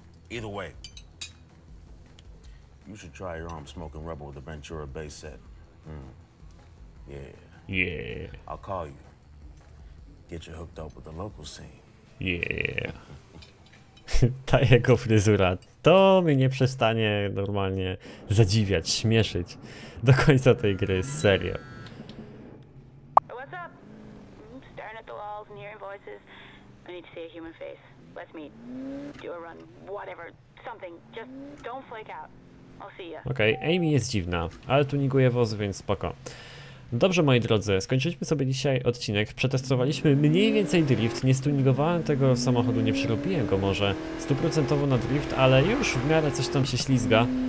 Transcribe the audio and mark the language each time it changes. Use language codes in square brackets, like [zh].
[en] Either way, you should try your arm smoking rubber with the Ventura bass set. Yeah. I'll call you. Get you hooked up with the local scene. Yeah. [pl] Ta jego fryzura, to mnie nie przestanie normalnie zadziwiać, śmieszyć do końca tej gry, serio. [en] What's up? Staring at the walls and hearing voices. I need to see a human face. Let's meet. Do a run, whatever. Something. Just don't flake out. [pl] Okej, okay, Amy jest dziwna, ale tuninguje wóz, więc spoko. Dobrze, moi drodzy, skończyliśmy sobie dzisiaj odcinek. Przetestowaliśmy mniej więcej drift. Nie stuningowałem tego samochodu, nie przerobiłem go może 100% na drift, ale już w miarę coś tam się ślizga.